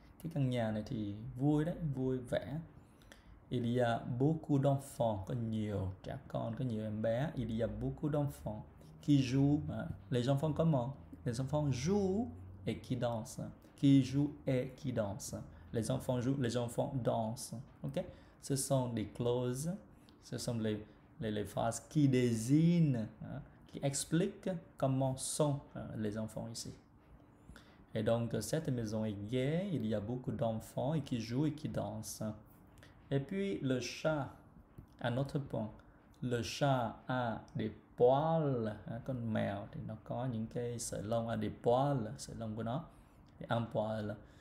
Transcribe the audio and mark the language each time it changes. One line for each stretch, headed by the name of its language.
Vietnamese: Cái căn nhà này thì vui đấy, vui vẻ.
French: Il y a beaucoup d'enfants,
Vietnamese: có nhiều trẻ con, có nhiều em bé.
French: Il y a beaucoup d'enfants qui jouent. Les enfants comment? Les enfants jouent et qui dansent. Qui jouent et qui dansent. Les enfants jouent, les enfants dansent. Okay? Ce sont des clauses. Ce sont les phrases qui désignent, qui expliquent comment sont les enfants ici. Et donc, cette maison est gaie, il y a beaucoup d'enfants et qui jouent et qui dansent. Et puis, le chat, un autre point, le chat a des poils, comme mèo,
Vietnamese: thì nó có những cái sợi lông,
French: a des poils,
Vietnamese: sợi lông của nó,
French: un poil.